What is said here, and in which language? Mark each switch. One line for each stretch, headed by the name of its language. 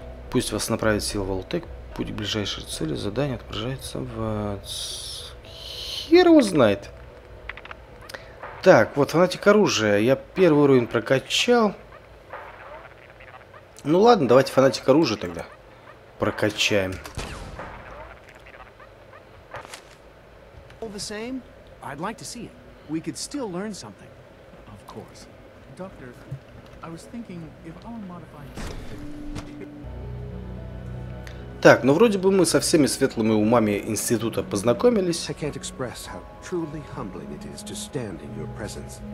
Russian: Пусть вас направит сила Волтек, путь к ближайшей цели задание отображается в ВАЦ. Хер его знает. Так, вот фанатик оружия. Я первый уровень прокачал. Ну ладно, давайте фанатик оружия тогда прокачаем.
English: All the same, I'd like to see it. We could still learn something. Of course. Doctor, I was thinking if I'll modify
Russian: Так, ну вроде бы мы со всеми светлыми умами института познакомились.
English: I can't express how truly humbling it is to stand in your presence.